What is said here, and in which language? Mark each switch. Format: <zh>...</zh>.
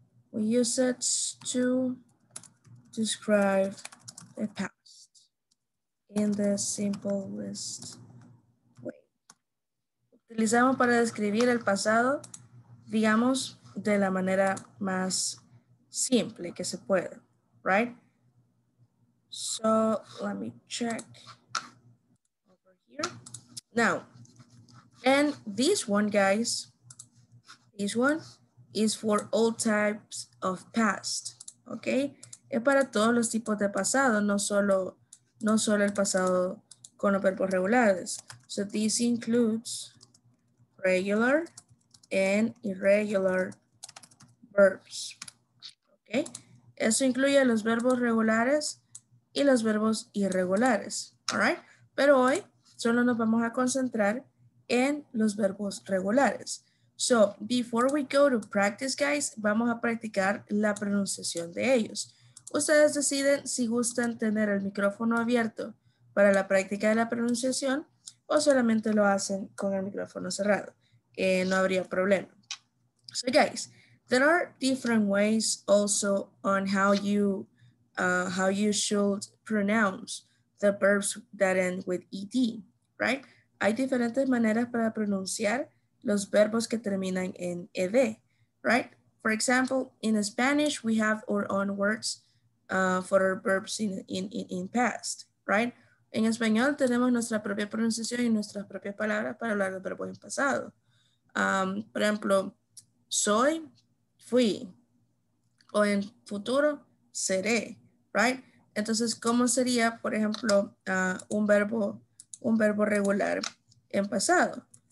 <en>We use it to describe the past in the simplest way.</en> <es>Utilizamos para describir el pasado, digamos, de la manera más simple que se puede, right?</es> <en>So, let me check over here. Now, and this one, guys, this one is for all types of past, okay?</en> <es>Es para todos los tipos de pasado, no solo el pasado con los verbos regulares.</es> <en>So this includes regular and irregular verbs, okay?</en> <es>Eso incluye los verbos regulares y los verbos irregulares, all right? Pero hoy solo nos vamos a concentrar en los verbos regulares.</es> <en>So, before we go to practice, guys,</en> <es>vamos a practicar la pronunciación de ellos. Ustedes deciden si gustan tener el micrófono abierto para la práctica de la pronunciación o solamente lo hacen con el micrófono cerrado. No habría problema.</es> <en>So, guys, there are different ways also on how you should pronounce the verbs that end with ed, right?</en> <es>Hay diferentes maneras para pronunciar los verbos que terminan en ed, right?</es> <en>For example, in Spanish, we have our own words for our verbs in past, right?</en> <es>En español tenemos nuestra propia pronunciación y nuestras propias palabras para hablar de verbos en pasado. Por ejemplo, soy, fui, o en futuro, seré, right? Entonces, ¿cómo sería, por ejemplo, un verbo regular en pasado?</es>